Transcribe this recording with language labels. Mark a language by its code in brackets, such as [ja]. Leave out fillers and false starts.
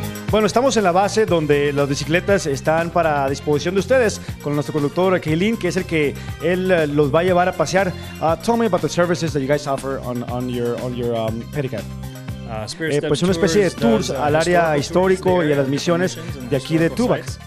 [es] Bueno, estamos en la base donde las bicicletas están para disposición de ustedes con nuestro conductor Kaylin, que es el que él los va a llevar a pasear. [en] Tell me about the services that you guys offer on your pedicab. [es] Pues una especie de tours al área histórico y a las misiones de aquí de Tubac.